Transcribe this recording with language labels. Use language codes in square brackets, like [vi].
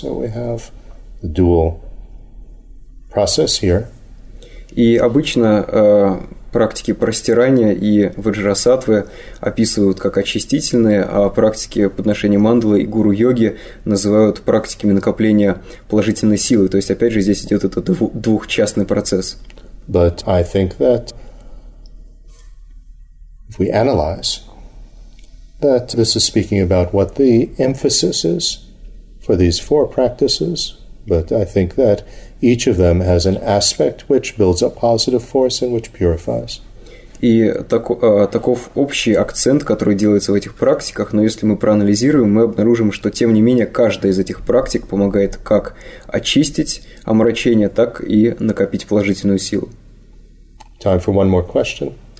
[en] So we have the dual process here. [ru] И обычно практики простирания и ваджрасатвы описывают как очистительные, а практики подношения мандалы и гуру-йоги называют практиками накопления положительной силы. То есть, опять же, здесь идет этот двухчастный процесс. [en] But I think that if we analyze, that this is speaking about what the emphasis is for these four practices, but I think that each of them has an aspect which builds up positive force and which purifies. [ru] И таков общий акцент, который делается в этих практиках, но если мы проанализируем, мы обнаружим, что тем не менее каждая из этих практик помогает как очистить омрачение, так и накопить положительную силу. [en] Time for one more question.